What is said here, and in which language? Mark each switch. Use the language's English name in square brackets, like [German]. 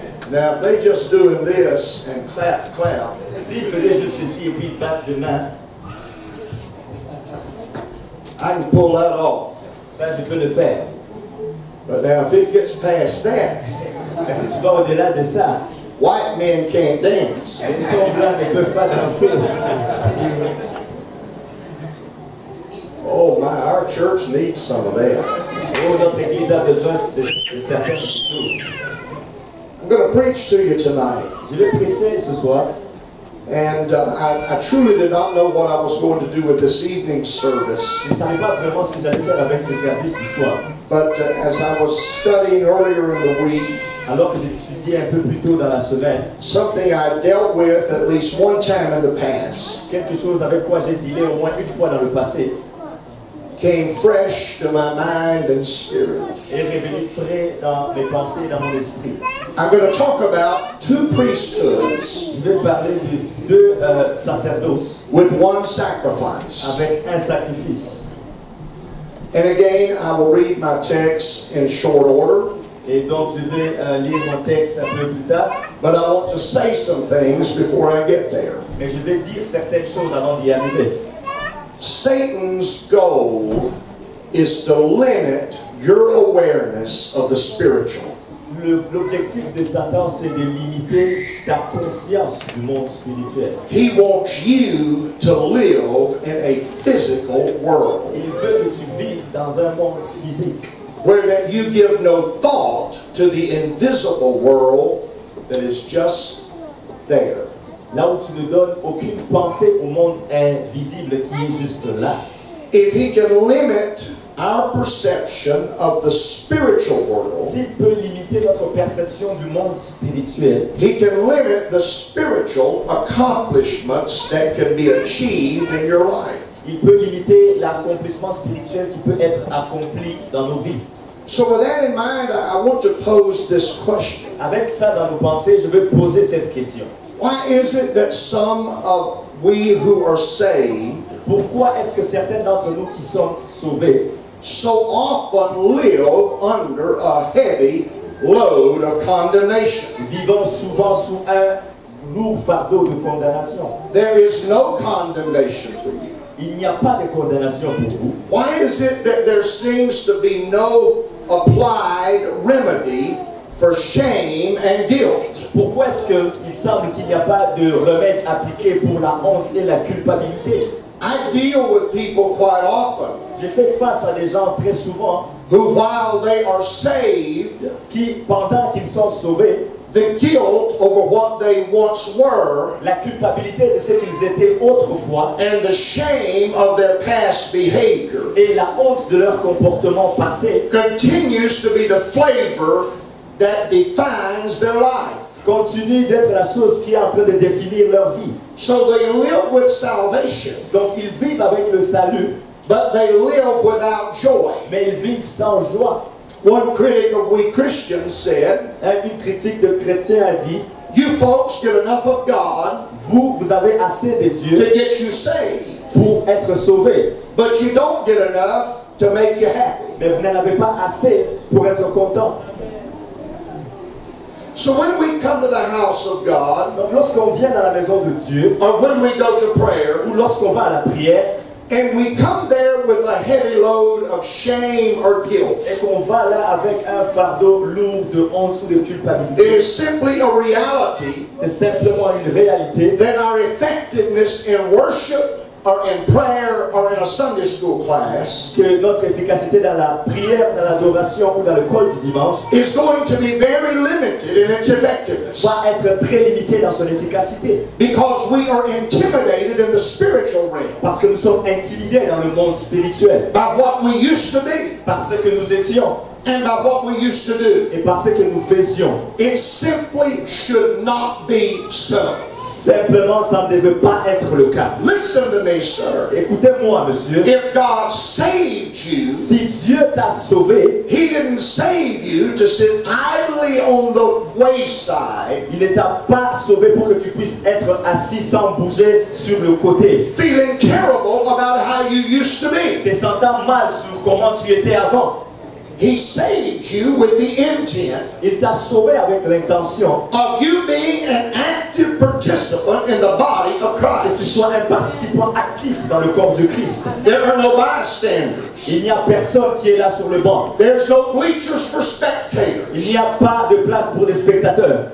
[English] Now, if they just doing this and clap, clap. [French] Si ils faisaient juste ceci et puis battre de main. [English] I can pull that off. [French] Ça, je peux le faire. [English] But now, if it gets past that. [French] Mais si tu vas au-delà de ça. [English] White men can't dance. [French] Les hommes blancs ne peuvent pas danser. [English] Oh my, our church needs some of that. [French] Oh, notre église a besoin de certains. [English] I'm going to preach to you tonight. [French] Je vais prêcher ce soir. [English] And I truly did not know what I was going to do with this evening's service. [French] Je ne savais pas vraiment ce que j'allais faire avec ce service ce soir. [English] But as I was studying earlier in the week, [French] alors que j'étudiais un peu plus tôt dans la semaine, [English] something I dealt with at least one time in the past, [French] quelque chose avec quoi j'ai dealé au moins une fois dans le passé, [English] came fresh to my mind and spirit. [French] Est revenu frais dans mes pensées, dans mon esprit. [English] I'm going to talk about two priesthoods. [French] Je vais parler de deux sacerdotes. [English] With one sacrifice. [French] Avec un sacrifice. [English] And again, I will read my text in short order. [French] Et donc je vais lire mon texte un peu plus tard. [English] But I want to say some things before I get there. [French] Mais je vais dire certaines choses avant d'y arriver. [English] Satan's goal is to limit your awareness of the spiritual. [French] L'objectif de Satan, c'est de limiter ta conscience du monde spirituel. [English] He wants you to live in a physical world. [French] Il veut que tu vives dans un monde physique. [English] Where that you give no thought to the invisible world that is just there. [French] Là où tu ne donnes aucune pensée au monde invisible qui est juste là. [English] If he can limit our perception of the spiritual world, [French] s'il peut limiter notre perception du monde spirituel, [English] he can limit the spiritual accomplishments that can be achieved in your life. [French] Il peut limiter l'accomplissement spirituel qui peut être accompli dans nos vies. [English] So with that in mind, I want to pose this question. [French] Avec ça dans nos pensées, je veux poser cette question. [English] Why is it that some of we who are saved, [French] pourquoi est-ce que certains d'entre nous qui sommes sauvés, [English] so often live under a heavy load of condemnation? [French] Vivons souvent sous un lourd fardeau de condamnation. [English] There is no condemnation for you. [French] Il n'y a pas de condamnation pour vous. [English] Why is it that there seems to be no applied remedy for shame and guilt? [French] Pourquoi est-ce que il semble qu'il n'y a pas de remède appliqué pour la honte et la culpabilité? [English] I deal with people quite often. [French] Je fais face à des gens très souvent. [English] Who, while they are saved, [French] qui pendant qu'ils sont sauvés, [English] the guilt over what they once were, [French] la culpabilité de ce qu'ils étaient autrefois, [English] and the shame of their past behavior, [French] et la honte de leur comportement passé, [English] continues to be the flavor that defines their life. [French] Continue d'être la chose qui est en train de définir leur vie. [English] So they live with salvation. [French] Donc ils vivent avec le salut. [English] But they live without joy. [French] Mais ils vivent sans joie. [English] One critic of we Christians said, [French] une critique de chrétien a dit, [English] you folks get enough of God, [French] vous avez assez de Dieu, [English] to get you saved, [French] pour être sauvé. [English] But you don't get enough to make you happy. [French] Mais vous n'en avez pas assez pour être content. [English] So when we come to the house of God, [French] donc lorsqu'on vient dans la maison de Dieu, [English] or when we go to prayer, [French] ou lorsqu'on va à la prière, [English] And we come there with a heavy load of shame or guilt. [French] Et qu'on va là avec un fardeau lourd de honte ou de culpabilité. [English] It is simply a reality. [French] C'est simplement une réalité. [English] That our effectiveness in worship or in prayer or in a Sunday school class. [French] Que notre efficacité dans la prière, dans l'adoration ou dans le culte du dimanche. [English] Is going to be very limited in its effectiveness. [French] Va être très limité dans son efficacité. [English] Because we are intimidated in the spiritual realm. [French] Parce que nous sommes intimidés dans le monde spirituel. [English] By what we used to be. [French] Par ce que nous étions. [English] And by what we used to do. [French] Et par ce que nous faisions. [English] It simply should not be so. [French] Simplement, ça ne devait pas être le cas. [English] Listen to me, sir. [French] Écoutez-moi, monsieur. [English] If God saved you, [French] si Dieu t'a sauvé, [English] he didn't save you to sit idly on the wayside. [French] Il ne t'a pas sauvé pour que tu puisses être assis sans bouger sur le côté. [English] Feeling terrible about how you used to be. [French] Te sentant mal sur comment tu étais avant. [English] He saved you with the intent. [French] Il t'a sauvé avec l'intention [English] of you being an active participant in the body of Christ. [French] Que tu sois un participant actif dans le corps de Christ. [English] There are no bystanders. [French] Il n'y a personne qui est là sur le banc. [English] There's no bleachers for spectators. [French] Il n'y a pas de place pour les spectateurs.